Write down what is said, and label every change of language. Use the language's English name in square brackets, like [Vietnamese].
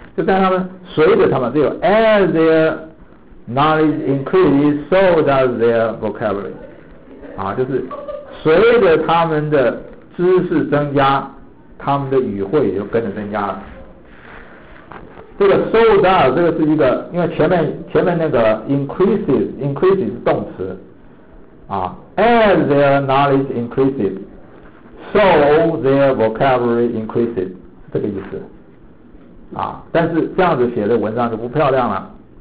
[Chinese] 就在他们随着他们这个 [English] as their knowledge increases, so does their vocabulary. [Chinese] 就是随着他们的知识增加，他们的语汇也就跟着增加了。这个 [English] so does [Chinese] 这个是一个，因为前面那个 increases 是动词啊。 [English] As their knowledge increases, so their vocabulary increases, [Chinese] 这个意思啊。但是这样子写的文章就不漂亮了。